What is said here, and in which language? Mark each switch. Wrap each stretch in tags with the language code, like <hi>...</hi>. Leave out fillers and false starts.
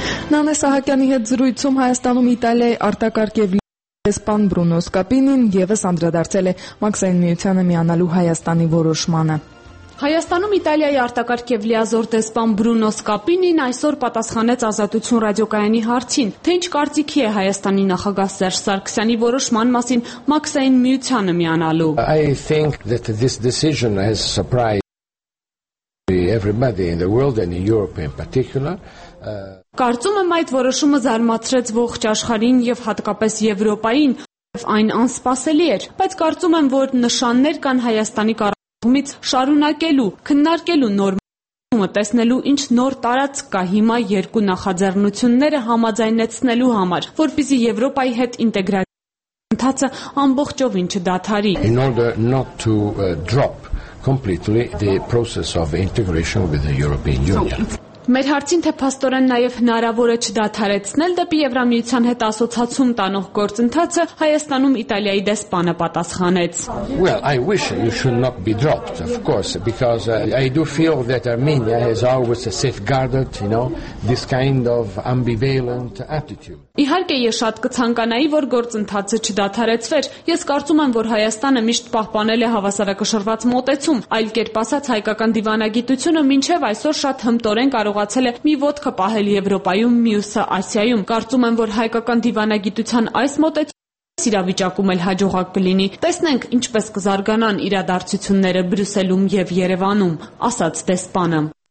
<hy>Նանե Սահակյանի հետ զրույցում Հայաստանում Իտալիայի արտակարգ և Սպան Բրունո Սկապինին եւս անդրադարձել է մաքսային միությանը միանալու Հայաստանի որոշմանը։ Հայաստանում Իտալիայի արտակարգ և լիազոր դեսպան Բրունո Սկապինին այսօր պատասխանեց Ազատություն ռադիոկայանի հարցին, թե ինչ կարծիքի է Հայաստանի նախագահ Սերժ Սարգսյանի որոշման մասին մաքսային միությանը միանալու։</hy> <en>I think that this decision has surprised everybody in the world and in Europe in particular.</en> <hy>Կարծում եմ այդ որոշումը զարմացրեց ողջ աշխարհին եւ հատկապես Եվրոպային, եւ այն անսպասելի էր, բայց կարծում եմ, որ նշաններ կան Հայաստանի ումից շարունակելու, քննարկելու նորմը, տեսնելու ինչ նոր տարածք կա հիմա երկու նախաձեռնությունները համաձայնեցնելու համար, որպեսզի Եվրոպայի հետ ինտեգրացիան ընթացը ամբողջովին չդադարի.</hy> <en>In order not to drop completely the process of integration with the European Union.</en> <hy>Մեր հարցին, թե փաստորեն նաև հնարավոր է չդադարեցնել դեպի Եվրամիության հետ ասոցացում տանող գործընթացը, Հայաստանում Իտալիայի դեսպանը պատասխանեց.</hy> <en>Well, I wish you should not be dropped, of course, because I do feel that Armenia has always safeguarded, you know, this kind of ambivalent attitude.</en> <hy>Իհարկե ես շատ կցանկանայի, որ գործընթացը չդադարեցվեր։ Ես կարծում եմ, որ Հայաստանը միշտ պահպանել է հավասարակշռված մոտեցում, այլ կերպ ասած հայկական դիվանագիտությունը մինչև այսօր շատ հմտորեն կարողացել է մի ոտքը պահել Եվրոպայում, մյուսը Ասիայում։ Կարծում եմ, որ հայկական դիվանագիտության այս մոտեցումը իրավիճակում էլ հաջողակ կլինի։ Տեսնենք, ինչպես կզարգանան իրադարձությունները Բրյուսելում եւ Երևանում, ասաց դեսպանը։</hy>